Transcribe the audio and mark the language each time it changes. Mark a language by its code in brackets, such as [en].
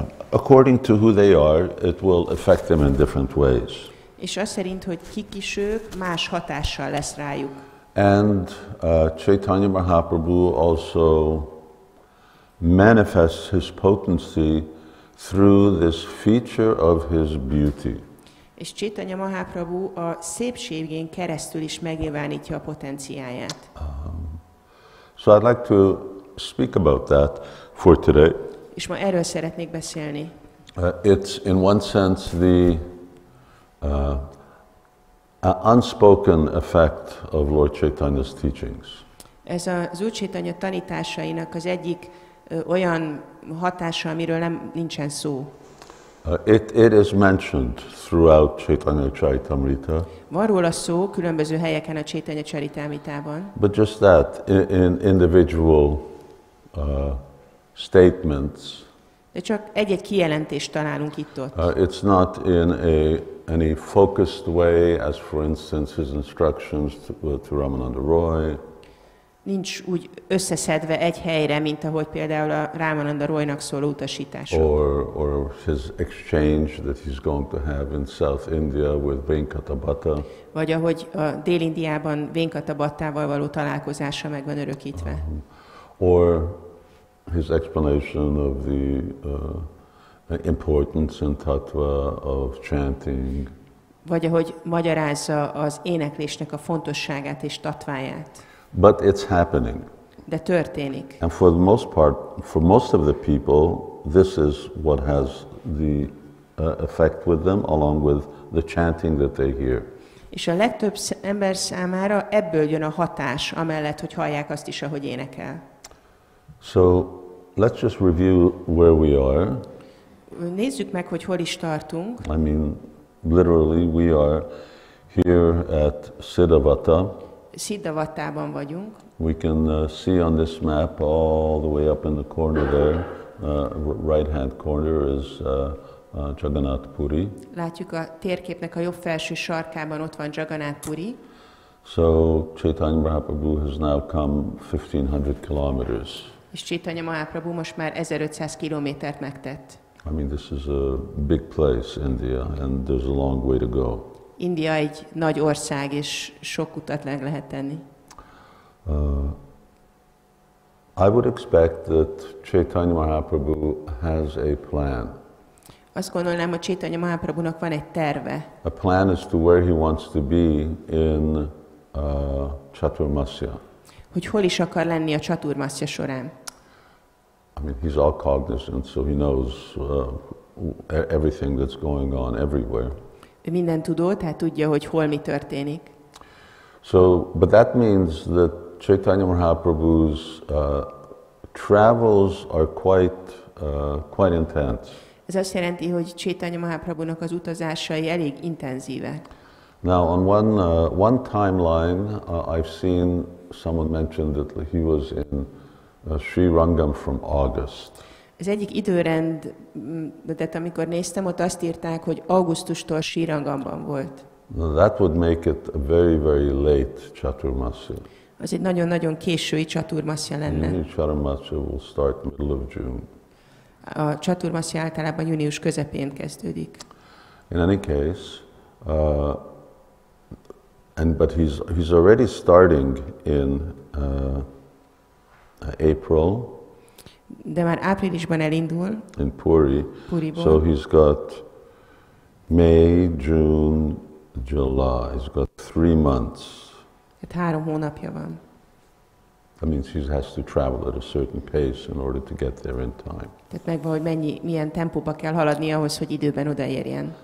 [en] According to who they are, it will affect them in different ways. [hu] És azt szerint, hogy kik is ők, más hatással lesz rájuk. [en] And Chaitanya Mahaprabhu also manifests his potency through this feature of his beauty. [hu] És Chaitanya Mahaprabhu a szépségén keresztül is megnyilvánítja a potenciáját. [en] So I'd like to speak about that for today. [hu] És ma erről szeretnék beszélni. [en] It's in one sense the unspoken effect of Lord Chaitanya's teachings. [hu] Ez az Úr Chaitanya tanításainak az egyik olyan hatása, amiről nem nincsen szó. [en] It is mentioned throughout Chaitanya Charitamrita. [hu] Van róla szó különböző helyeken a Chaitanya Charitamritában. [en] But just that, in individual statements. [hu] De csak egy-egy kijelentést találunk itt-ott. [en] It's not in any focused way, as for instance his instructions to Ramananda Roy. [hu] Nincs úgy összeszedve egy helyre, mint ahogy például a Ramananda Roynak szóló utasítások. [en] Or his exchange that he's going to have in South India with Venkatabhata. [hu] Vagy ahogy a Dél-Indiában Venkatabhattával való találkozása meg van örökítve. [en] Or his explanation of the importance and tattva of chanting. [hu] Vagy ahogy magyarázza az éneklésnek a fontosságát és tattváját. [en] But it's happening. [hu] De történik. [en] And for the most part, for most of the people, this is what has the effect with them, along with the chanting that they hear. [hu] És a legtöbb ember számára ebből jön a hatás, amellett, hogy hallják azt is, ahogy énekel. [en] So, let's just review where we are. [hu] Nézzük meg, hogy hol is tartunk. [en] I mean, literally, we are here at Siddhavata. [hu] Siddhavatában vagyunk. [en] We can see on this map all the way up in the corner there, right-hand corner is Jagannath Puri. [hu] Látjuk a térképnek a jobb felső sarkában ott van Jagannath Puri. [en] So Chaitanya Mahaprabhu has now come 1500 kilometers. [hu] És Chaitanya Mahaprabhu most már 1500 kilométert megtett. [en] I mean, this is a big place, India, and there's a long way to go. [hu] India egy nagy ország, és sok utat meg lehet tenni. [en] I would expect that Chaitanya Mahaprabhu has a plan. [hu] Azt gondolnám, hogy Chaitanya Mahaprabhunak van egy terve. [en] A plan as to where he wants to be in Chaturmasya. [hu] Hogy hol is akar lenni a Chaturmasya során. [en] I mean, he's all cognizant, so he knows everything that's going on everywhere. [hu] Ő minden tudó, tehát tudja, hogy hol mi történik. [en] So, but that means that Chaitanya Mahaprabhu's travels are quite intense. [hu] Ez azt jelenti, hogy Chaitanya Mahaprabhunak az utazásai elég intenzívek. [en] Now, on one timeline, I've seen someone mentioned that he was in Sri Rangam from August. [hu] Az egyik időrend, de amikor néztem, ott azt írták, hogy augusztustól Sirangamban volt. [en] Now that would make it a very, very late Chaturmasya. [hu] Az egy nagyon-nagyon késői Chaturmasya lenne. [en] The Chaturmasya will start middle of June. [hu] A Chaturmasya általában június közepén kezdődik. [en] In any case, but he's already starting in April. [hu] De már áprilisban elindul. [en] In Puri. [hu] Puriból. [en] So he's got May, June, July. He's got 3 months. [hu] Hát 3 hónapja van. [en] That means he has to travel at a certain pace in order to get there in time. [hu] Tehát megvan, hogy mennyi, milyen tempóba kell haladni ahhoz, hogy időben odaérjen.